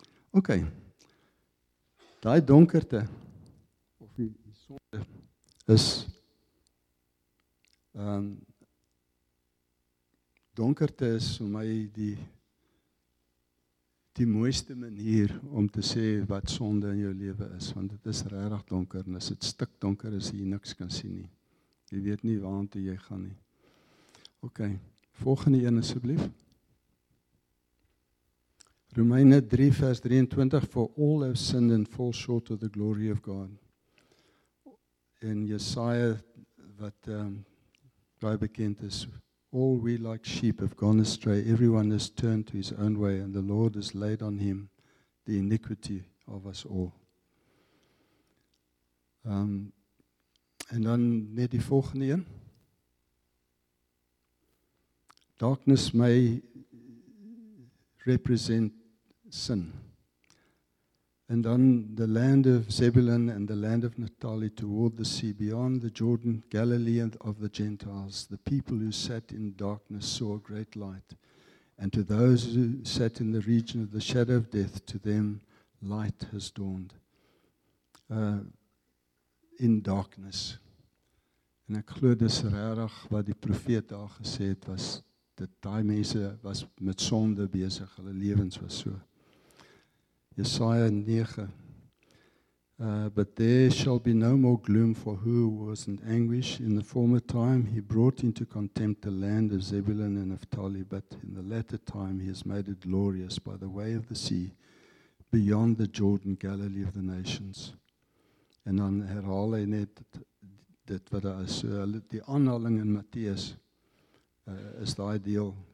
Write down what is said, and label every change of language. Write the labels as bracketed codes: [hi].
[af] Ok, die donkerte, of die sonde, is donkerte is vir my die mooiste manier om te sê wat sonde in jou lewe is, want dit is regtig donker, en as dit stik donker is, jy niks kan sien nie. Jy weet nie waar toe jy gaan nie. Ok, volgende een asseblief. Romeine 3 vers 23, [en] for all have sinned and fall short of the glory of God. [af] En Jesaja, wat baie bekend is, [en] all we like sheep have gone astray, everyone has turned to his own way, and the Lord has laid on him the iniquity of us all. [af] En dan net die volgende een. [en] Darkness may represent sin. And then the land of Zebulun and the land of Naphtali toward the sea, beyond the Jordan, Galilee and of the Gentiles, the people who sat in darkness saw a great light. And to those who sat in the region of the shadow of death, to them light has dawned. In darkness. [af] En ek glo dis regtig wat die profeet daar gesê het was, dat die mense was met sonde besig, hulle lewens was so. [en] Jesaja 9, but there shall be no more gloom for who was in anguish in the former time. He brought into contempt the land of Zebulun and Naphtali, but in the latter time he has made it glorious by the way of the sea, beyond the Jordan, Galilee of the nations. [af] En dan herhaal hy net dit wat daar is, die aanhaling in Matteus, is die deel.